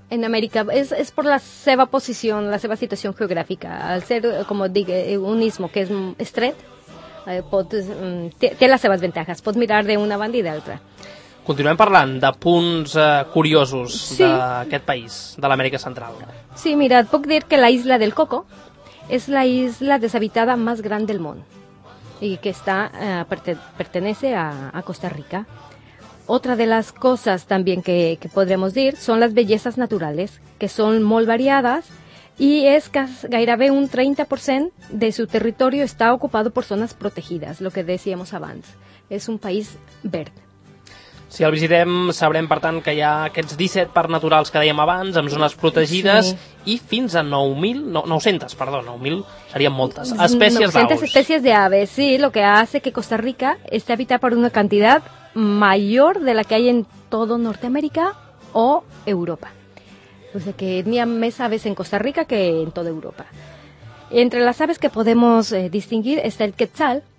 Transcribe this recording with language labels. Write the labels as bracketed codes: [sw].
[ca] En Amèrica és per la seva posició, la seva situació geogràfica. Al ser, com dic, un istmo que és estret, té les seves avantatges. Pot mirar d'una banda i d'altra. Continuem parlant de punts curiosos sí. D'aquest país, de l'Amèrica Central. [es] Sí, mira, et puc dir que la isla del Coco es la isla deshabitada más grande del mundo y que está pertenece a Costa Rica. Otra de las cosas también que podremos decir son las bellezas naturales, que son muy variadas y es casi gairebé un 30% de su territorio está ocupado por zonas protegidas, lo que decíamos abans. Es un país verde. [ca] Si el visitem, sabrem, per tant, que hi ha aquests 17 parcs naturals que dèiem abans, amb zones protegides, sí. I fins a 9.000, no, 900, perdó, 9.000 serien moltes, espècies d'aus. [es] 900 espècies d'aves, sí, lo que hace que Costa Rica esté habitada por una cantidad mayor de la que hay en todo Norteamérica o Europa. O sea, que hay más aves en Costa Rica que en toda Europa. Entre las aves que podemos distinguir está el quetzal.